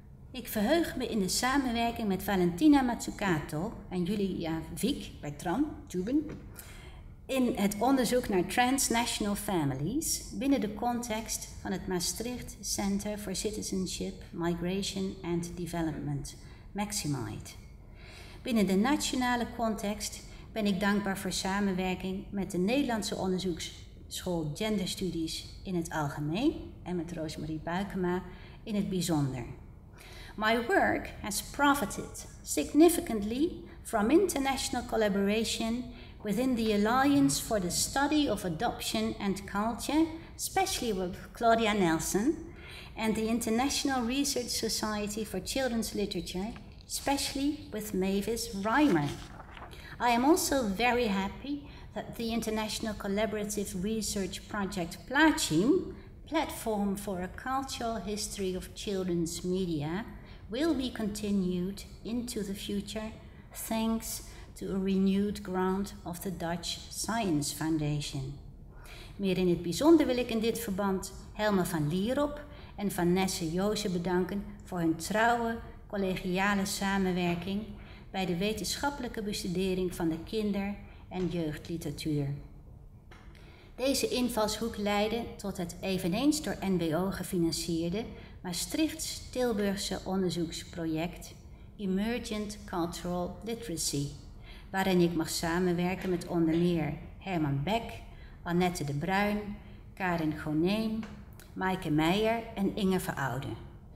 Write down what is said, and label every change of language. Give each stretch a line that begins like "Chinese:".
Dutch: Ik verheug me in de samenwerking met Valentina Mazzucato en Julia Vic Bertram, Tuben, in het onderzoek naar transnational families binnen de context van het Maastricht Center for Citizenship, Migration and Development, MaxiMide. Binnen de nationale context ben ik dankbaar voor samenwerking met de Nederlandse onderzoeksschool Genderstudies in het algemeen en met Rosemarie Buikema in het bijzonder.
English: My work has profited significantly from international collaboration within the Alliance for the Study of Adoption and Culture, especially with Claudia Nelson, and the International Research Society for Children's Literature, especially with Mavis Reimer. I am also very happy that the International Collaborative Research Project PLACIM, Platform for a Cultural History of Children's Media, will be continued into the future, thanks to a renewed grant of the Dutch Science Foundation.
Dutch: Meer in het bijzonder wil ik in dit verband Helma van Lierop en Vanesse Joze bedanken voor hun trouwe, collegiale samenwerking bij de wetenschappelijke bestudering van de kinder- en jeugdliteratuur. Deze invalshoek leidde tot het eveneens door NBO gefinancierde Maastricht-Tilburgse onderzoeksproject Emergent Cultural Literacy, waarin ik mag samenwerken met onder meer Herman Beck, Annette de Bruin, Karin Goneen, Maaike Meijer en Inge Verouden.